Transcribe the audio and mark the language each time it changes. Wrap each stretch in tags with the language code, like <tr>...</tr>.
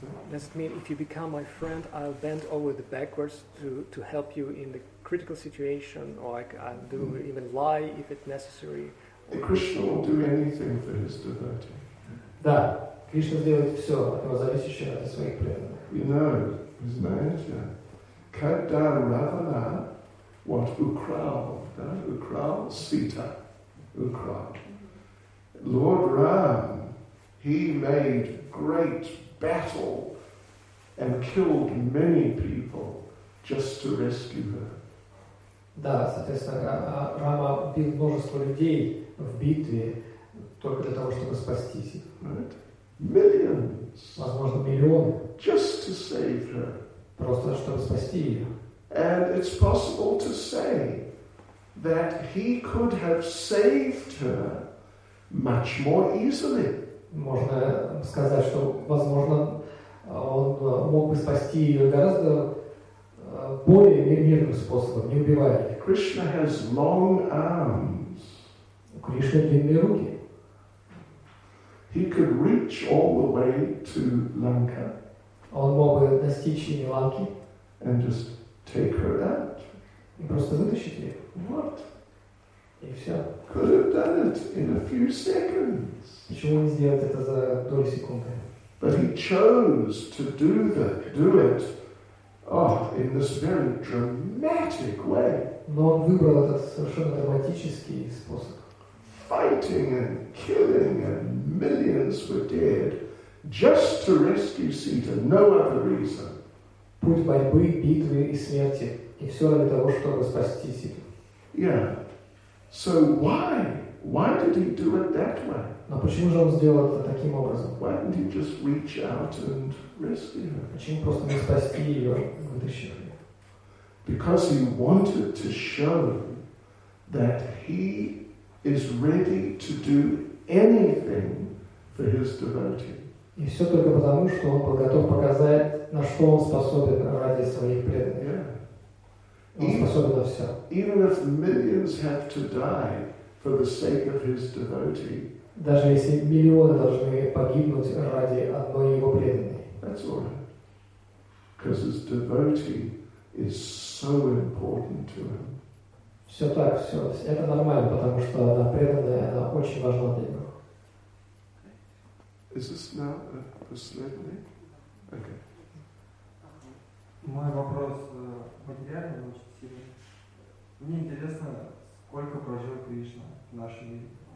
<en>Does it mean if you become my friend, I'll bend over the backwards to help you in the critical situation, or I'll do even lie if it's necessary? And Krishna will do anything for his devotee.</en> <ru>Да, Кришна сделает все, но зависящее от своих преданных.</ru> <en>You know, his manager, Kadda Ravana, what Ukrav, Sita, Ukrav. Lord Ram, he made great battle and killed many people just to rescue her.</en> <ru>Да, соответственно, Рама убил множество людей в битве только для того, чтобы спастись их.</ru> <en>Right? Millions.</en> <ru>Возможно, миллионы.</ru> <en>Just to save her.</en> <ru>Просто чтобы спасти ее.</ru> <en>And it's possible to say that he could have saved her much more easily.</en> <ru>Можно сказать, что, возможно, он мог бы спасти ее гораздо более мирным способом, не убивая ее.</ru> <en>Krishna has long arms.</en> <ru>У Кришны длинные руки.</ru> <en>He could reach all the way to Lanka.</en> <ru>Он мог бы достичь ее Ланки.</ru> <en>And just take her out.</en> <ru>И просто вытащить ее.</ru> <en>What?</en> <ru>И все.</ru> <en>Could have done it in a few seconds.</en> <ru>Почему не сделать это за долю секунды?</ru> <en>But he chose to do it in this very dramatic way.</en> <ru>Но он выбрал этот совершенно драматический способ.</ru> <en>Fighting and killing and millions were dead just to rescue Sita, no other reason.</en> <ru>Путь борьбы, битвы и смерти, и все для того, чтобы спасти Сита.</ru> <en>Yeah. So why? Why did he do it that way?</en> <ru>Но почему же он сделал это таким образом?</ru> <en>Why didn't he just reach out and rescue her?</en> <ru>Почему просто не спасти ее, вытащив ее?</ru> <en>Because he wanted to show that he is ready to do anything for his devotee.</en> <ru>И все только потому, что он был готов показать, на что он способен ради своих преданных.</ru> <en>Yeah.</en> <ru>Он способен на все.</ru> <en>Even if millions have to die for the sake of his devotee.</en> <ru>Даже если миллионы должны погибнуть ради одной его преданной.</ru> <en>That's all right. Because his devotee is so important to him.</en> <ru>Все так, все. Это нормально, потому что она преданная, она очень важна для него.</ru> <en>Is this now a</en> <ru>последний?</ru> <en>Okay.</en> <ru>Мой вопрос материальный, но очень сильный. Мне интересно, сколько прожил Кришна в нашем мире?</ru>